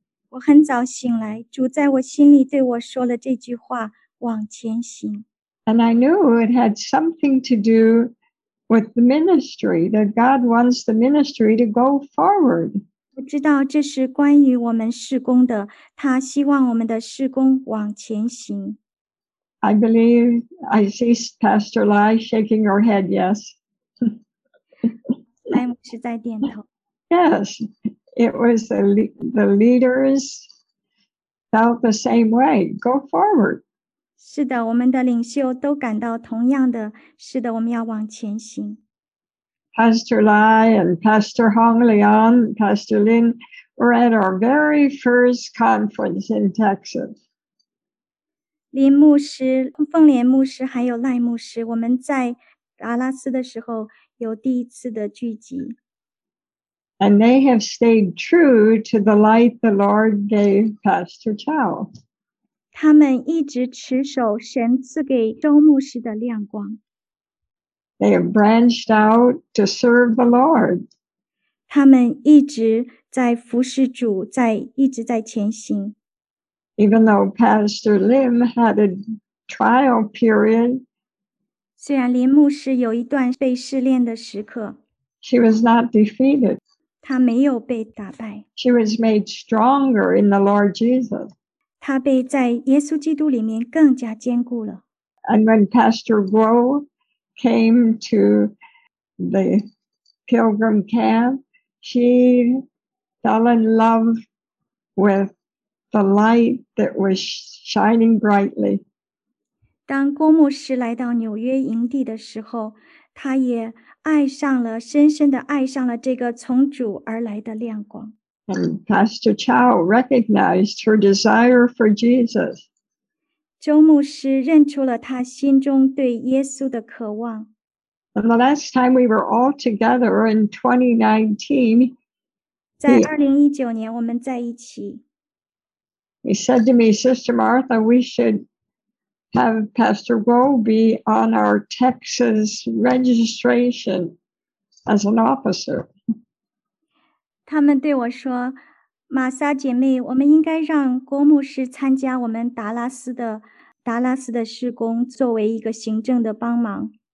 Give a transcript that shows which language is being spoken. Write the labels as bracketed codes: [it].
[zh] 我很早醒来，主在我心里对我说了这句话，往前行。 [en] And I knew it had something to do with the ministry, that God wants the ministry to go forward. [zh] 我知道这是关于我们事工的，他希望我们的事工往前行。 [en] I believe, I see Pastor Lai shaking her head, yes. [zh] 莱姆是在点头。 [en] Yes, it was the leaders felt the same way, go forward. [zh] 是的，我们的领袖都感到同样的。是的，我们要往前行。 [en] Pastor Lai and Pastor Hong Leon, Pastor Lin were at our very first conference in Texas. [zh] 林牧师、凤莲牧师还有赖牧师，我们在阿拉斯的时候有第一次的聚集。 [en] And they have stayed true to the light the Lord gave Pastor Chow. [zh] 他们一直持守神赐给周牧师的亮光。 [en] They have branched out to serve the Lord. [zh] 他们一直在服侍主，在一直在前行。 [en] Even though Pastor Lim had a trial period, [zh] 虽然林牧师有一段被试炼的时刻， [en] she was not defeated. [zh] 他没有被打败。 [en] She was made stronger in the Lord Jesus. [zh] 他被在耶稣基督里面更加坚固了。 [en] And when Pastor Guo came to the pilgrim camp, she fell in love with the light that was shining brightly. [zh] 当郭牧师来到纽约营地的时候，他也爱上了，深深地爱上了这个从主而来的亮光。 [en] And Pastor Chow recognized her desire for Jesus. [zh] 周牧师认出了他心中对耶稣的渴望。 [en] And the last time we were all together in 2019, [zh] 在2019年我们在一起。 [en] He said to me, Sister Martha, we should have Pastor Guo be on our Texas registration as an officer. [zh] 他们对我说，玛莎姐妹，我们应该让郭牧师参加我们达拉斯的事工，作为一个行政的帮忙。